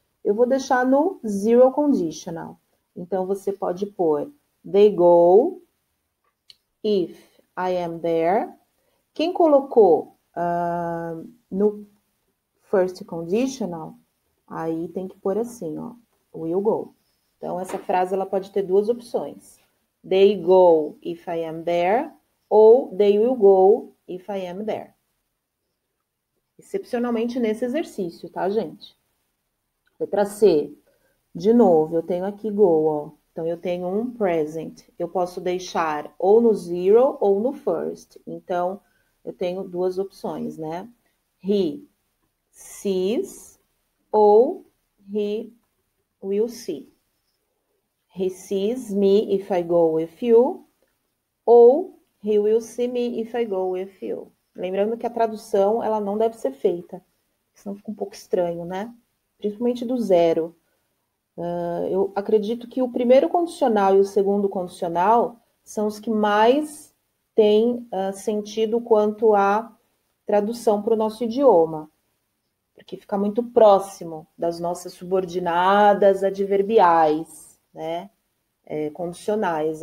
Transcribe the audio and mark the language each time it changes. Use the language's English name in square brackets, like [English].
[Portuguese] Eu vou deixar no zero conditional. Então, você pode pôr, they go if I am there. Quem colocou no first conditional, aí tem que pôr assim, ó, will go. Então, essa frase ela pode ter duas opções. [English] They go if I am there, ou they will go if I am there. [Portuguese] Excepcionalmente nesse exercício, tá, gente? Letra C. De novo, eu tenho aqui go, ó. Então, eu tenho um present. Eu posso deixar ou no zero ou no first. Então, eu tenho duas opções, né? He sees ou he will see. [English] He sees me if I go with you, ou he will see me if I go with you. [Portuguese] Lembrando que a tradução ela não deve ser feita, senão fica um pouco estranho, né? Principalmente do zero. Eu acredito que o primeiro condicional e o segundo condicional são os que mais têm sentido quanto à tradução para o nosso idioma, porque fica muito próximo das nossas subordinadas adverbiais, né? Condicionais.